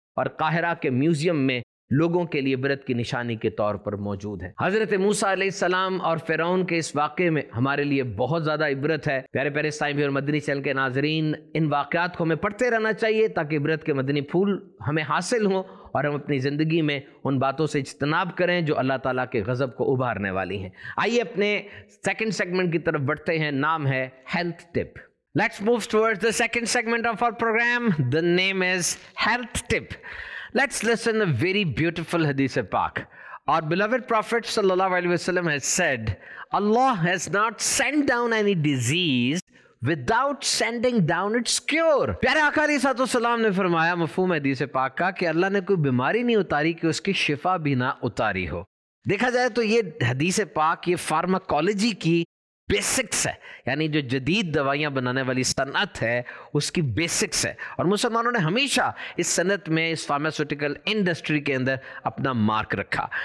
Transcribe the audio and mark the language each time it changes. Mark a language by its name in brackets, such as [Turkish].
[Urdu] اور قاہرہ کے میوزیم میں لوگوں کے لیے عبرت کی نشانی کے طور پر موجود ہے۔ حضرت موسیٰ علیہ السلام اور فرعون کے اس واقعے میں ہمارے لیے بہت زیادہ عبرت ہے۔ پیارے پیارے سائمی اور مدنی چینل کے ناظرین، ان واقعات کو ہمیں پڑھتے رہنا چاہیے تاکہ عبرت کے مدنی پھول ہمیں حاصل ہوں اور ہم اپنی زندگی میں ان باتوں سے اجتناب کریں جو اللہ تعالیٰ کے غضب کو ابھارنے والی ہیں۔ آئیے اپنے سیکنڈ سیگمنٹ کی طرف بڑھتے ہیں، نام ہے health tip. [English] Let's move towards the second segment of our program. The name is Health Tip. Let's listen a very beautiful hadith of Pak. Our beloved Prophet sallallahu alaihi wasallam has said, Allah has not sent down any disease without sending down its cure. [Urdu] پیارے آقا علیہ الصلوۃ والسلام نے فرمایا، مفہوم حدیث پاک کا، کہ اللہ نے کوئی بیماری نہیں اتاری کہ اس کی شفا بھی نہ اتاری ہو۔ دیکھا جائے تو یہ حدیث پاک یہ فارماکولوجی کی بیسکس ہے، یعنی جو جدید دوائیاں بنانے والی صنعت ہے اس کی بیسکس ہے، اور مسلمانوں نے ہمیشہ اس صنعت میں، اس فارماسیوٹیکل انڈسٹری کے اندر اپنا مارک رکھا۔